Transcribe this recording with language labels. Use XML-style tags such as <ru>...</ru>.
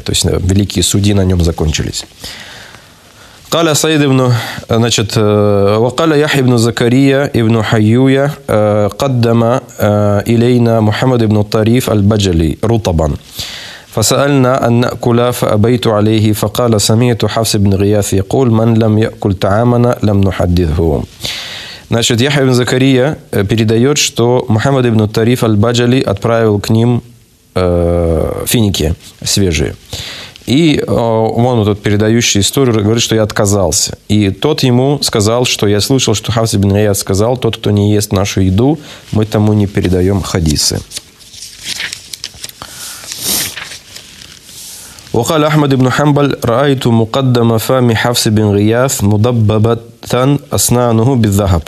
<ru>То есть, великие судьи на нем закончились.</ru> <ar>قال سعيد بن значит وقال يحيى بن زكريا ابن حيويه قدم الينا محمد بن الطريف البجلي رطبا فسالنا ان ناكل فابيت عليه فقال سمعت حفص بن غياث يقول من لم ياكل طعامنا لم نحدثه.</ar> <ru>Значит, يحيى بن زكريا передает, что محمد بن الطريف البجلي отправил к ним финики свежие. И он, вот этот передающий историю, говорит, что я отказался. И тот ему сказал, что я слышал, что Хафс ибн Гияс сказал, тот, кто не ест нашу еду, мы тому не передаем хадисы.</ru> <ar>وقال أحمد بن حنبل رأيت مقدم فم حفص بن غياث مدببة أسنانه بالذهب.</ar>